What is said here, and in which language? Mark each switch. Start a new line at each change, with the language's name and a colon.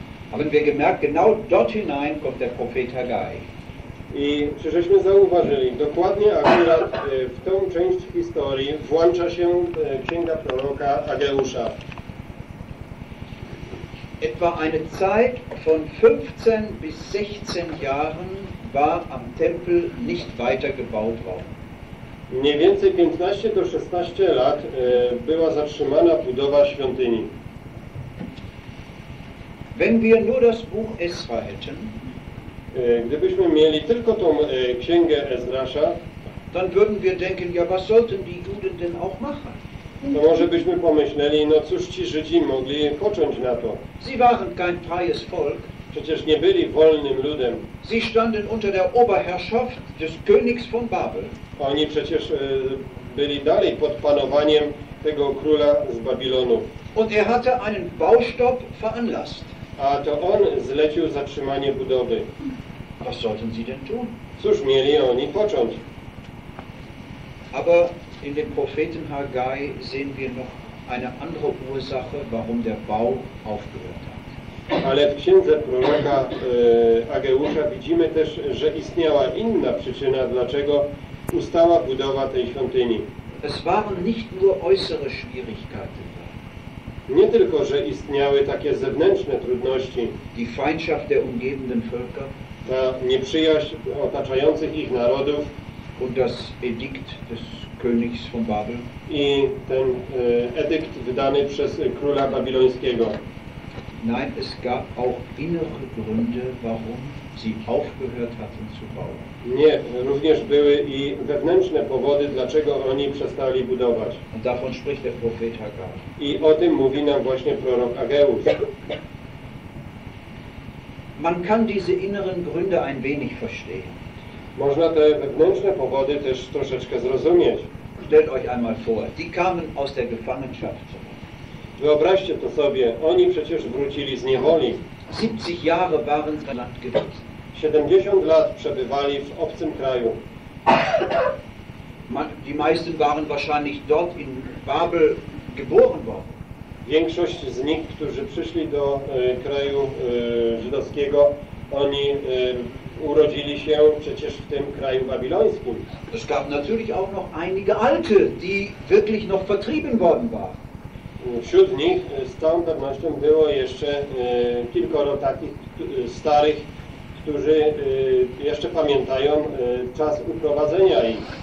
German: Haben wir gemerkt, genau dort hinein kommt der Prophet Haggai.
Polish: I czy żeśmy zauważyli, dokładnie akurat w tą część historii włącza się księga proroka Ageusza.
German: Etwa eine Zeit von 15 bis 16 Jahren war am Tempel nicht weiter gebaut worden.
Polish: Mniej więcej 15 do 16 lat była zatrzymana budowa świątyni.
German: Wenn wir nur das Buch Esra hätten,
Polish: gdybyśmy mieli tylko tą księgę Ezrasza,
German: dann würden wir denken, ja was sollten die Juden denn auch machen?
Polish: To może byśmy pomyśleli, no cóż ci Żydzi mogli począć na to.
German: Sie waren kein freies Volk.
Polish: Przecież nie byli wolnym ludem.
German: Sie standen unter der Oberherrschaft des Königs von Babel.
Polish: Oni przecież byli dalej pod panowaniem tego króla z Babilonu.
German: Und er hatte einen Baustopp veranlasst.
Polish: A to on zlecił zatrzymanie budowy.
German: Was sollten sie denn tun?
Polish: Cóż mieli oni począć?
German: Aber in dem Propheten Haggai sehen wir noch eine andere Ursache, warum der Bau aufgehört hat.
Polish: Ale w księdze proroka Ageusza widzimy też, że istniała inna przyczyna, dlaczego ustała budowa tej świątyni.
German: Es waren nicht nur äußere Schwierigkeiten.
Polish: Nie tylko, że istniały takie zewnętrzne trudności.
German: Die Feindschaft der umgebenden Völker.
Polish: Ta nieprzyjaźń otaczających ich narodów.
German: Und das Edikt des Königs von Babel.
Polish: I ten edykt wydany przez króla babilońskiego.
German: Nein, es gab auch innere Gründe, warum sie aufgehört hatten zu bauen.
Polish: Nie, również były i wewnętrzne powody, dlaczego oni przestali budować.
German: Und davon spricht der Prophet Haggai.
Polish: I o tym mówi nam właśnie prorok Ageusz.
German: Man kann diese inneren Gründe ein wenig verstehen.
Polish: Można te wewnętrzne powody też troszeczkę zrozumieć.
German: Stellt euch einmal vor, die kamen aus der Gefangenschaft.
Polish: Wyobraźcie to sobie, oni przecież wrócili z niewoli.
German: 70 Jahre waren sie Land gewesen.
Polish: 70 lat przebywali w obcym kraju.
German: Die meisten waren wahrscheinlich dort in Babel geboren worden.
Polish: Większość z nich, którzy przyszli do kraju żydowskiego, oni urodzili się przecież w tym kraju babilońskim.
German: Es gab natürlich auch noch einige Alte, die wirklich noch vertrieben worden waren.
Polish: Wśród nich z całą pewnością było jeszcze kilkoro takich starych, którzy jeszcze pamiętają czas uprowadzenia ich.